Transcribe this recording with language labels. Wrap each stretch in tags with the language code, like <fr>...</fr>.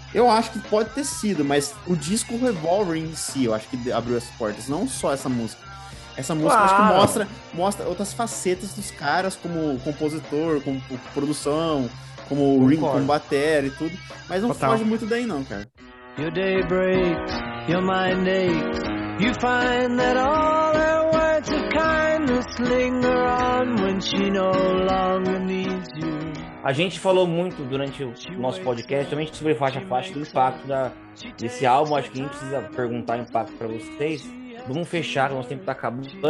<pt>Eu acho que pode ter sido, mas o disco Revolver em si, eu acho que abriu as portas. Não só essa música. Essa música, claro, acho que mostra outras facetas dos caras, como compositor, como produção, como Ringo, como batera e tudo. Mas não foge muito daí, não, cara.</pt> <en>Your day breaks, your mind aches. You find that all the words of kindness linger on when she no longer needs you.</en> <pt>A gente falou muito durante o nosso podcast, também sobre faixa, do impacto desse álbum. Acho que a gente precisa perguntar o impacto pra vocês. Vamos fechar, o nosso tempo tá acabando.</pt>